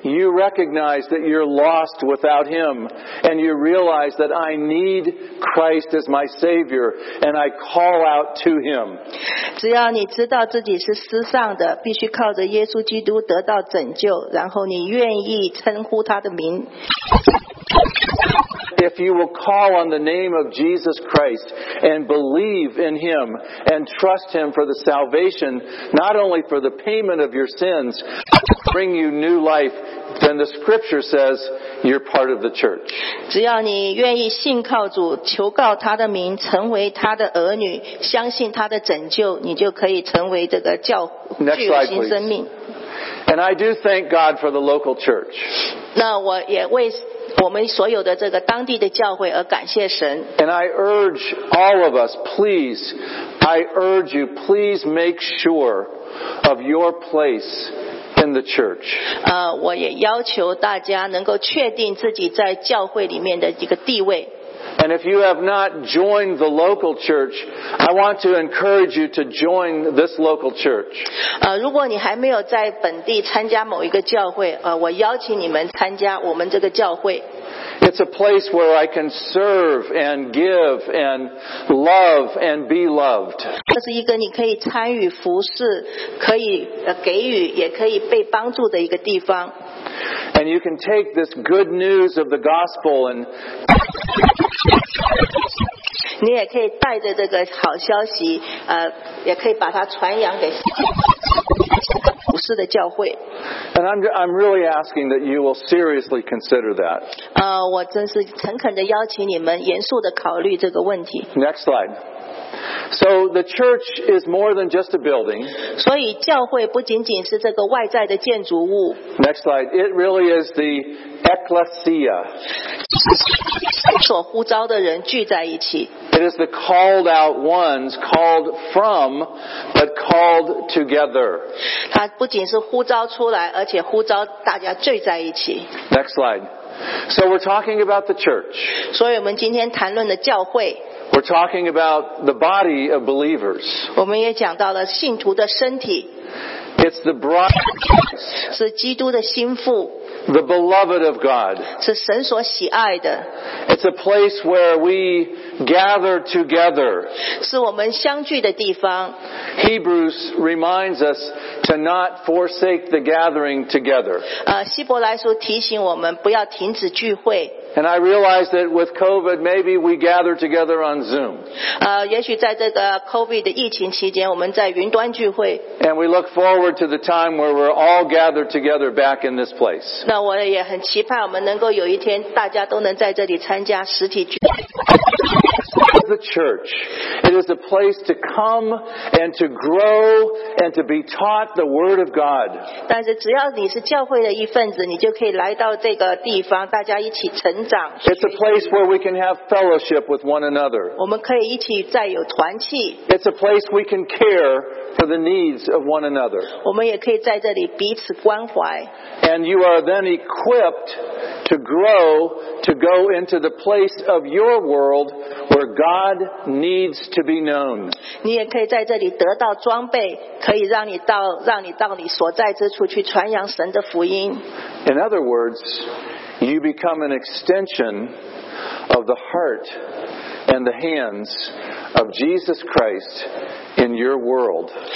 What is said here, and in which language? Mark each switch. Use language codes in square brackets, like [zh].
[en] You recognize that you're lost without Him, and you realize that I need Christ as my Savior, and I call out to Him. [zh] 只要你知道自己是失丧的，必须靠着耶稣基督得到拯救，然后你愿意称呼他的名。 [en] If you will call on the name of Jesus Christ and believe in Him and trust Him for the salvation, not only for the payment of your sins, but to bring you new life, then the Scripture says you're part of the church. [zh] 只要你愿意信靠主，求告他的名，成为他的儿女，相信他的拯救，你就可以成为这个教具有新生命。 [en] Next slide, please. And I do thank God for the local church. [zh] 那我也为我们所有的这个当地的教会而感谢神。 [en] And I urge all of us, please, I urge you, please make sure of your place. In the church. [zh] 我也要求大家能够确定自己在教会里面的一个地位。 [en] And if you have not joined the local church, I want to encourage you to join this local church. [zh] 如果你还没有在本地参加某一个教会，我邀请你们参加我们这个教会。 [en] It's a place where I can serve and give and love and be loved. [zh] 这是一个你可以参与服事，可以给予，也可以被帮助的一个地方。 [en] And you can take this good news of the gospel and. [zh] 你也可以带着这个好消息，也可以把它传扬给。 [en] And I'm really asking that you will seriously consider that. [zh] 我真是诚恳地邀请你们严肃地考虑这个问题。 [en] Next slide. So the church is more than just a building. [zh] 所以教会不仅仅是这个外在的建筑物。 [en] Next slide. It really is the Ekklesia. [zh] 神所呼召的人聚在一起。 [en] It is the called out ones, called from, but called together. [zh] 它不仅是呼召出来，而且呼召大家聚在一起。 [en] Next slide. So we're talking about the church. [zh] 所以我们今天谈论的教会。 [en] We're talking about the body of believers. [zh] 我们也讲到了信徒的身体。 [en] It's the bride. [zh] 是基督的心腹。 [en] The beloved of God. [zh] 是神所喜爱的。 [en] It's a place where we gather together. [zh] 是我们相聚的地方。 [en] Hebrews reminds us to not forsake the gathering together. [zh] 希伯来书提醒我们不要停止聚会。 [en] And I realize that with COVID, maybe we gather together on Zoom. [zh] 也许在这个 COVID 的疫情期间，我们在云端聚会。 [en] And we look forward to the time where we're all gathered together back in this place. [zh] 那我也很期盼我们能够有一天，大家都能在这里参加实体聚会。 [en] The church. It is a place to come and to grow and to be taught the word of God. [zh] 但是只要你是教会的一份子，你就可以来到这个地方，大家一起成长。 [en] It's a place where we can have fellowship with one another. [zh] 我们可以一起再有团契。 [en] It's a place we can care for the needs of one another. [zh] 我们也可以在这里彼此关怀。 [en] And you are then equipped to grow, to go into the place of your world where God needs to be known. [zh] 你也可以在这里得到装备，可以让你到你所在之处去传扬神的福音。 [en] In other words, you become an extension of the heart and the hands of Jesus Christ in your world.